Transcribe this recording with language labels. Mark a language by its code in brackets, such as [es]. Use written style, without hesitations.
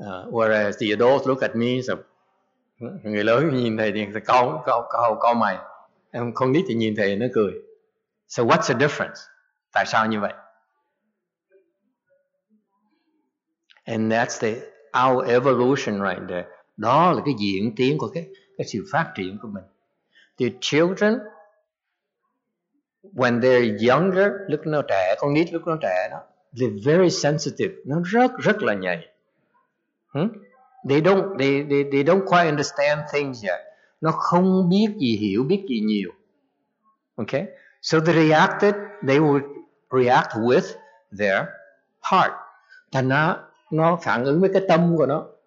[en] Whereas the adults look at me, so [vi] người lớn nhìn thầy thì câu mày, em không biết thì nhìn thầy nó cười. [en] So what's the difference? [vi] Tại sao như vậy? [en] And that's the our evolution right there. [vi] Đó là cái diễn tiến của cái sự phát triển của mình. [en] The children, when they're younger, [vi] lúc nó trẻ, con nít lúc nó trẻ đó, [en] they're very sensitive. [vi] Nó rất rất là nhạy. [en] They don't quite understand things yet. [vi] Nó không biết gì hiểu, biết gì nhiều. [en] Okay? So they reacted, they would react with their heart. [vi] Thành ra nó phản ứng với cái tâm của nó.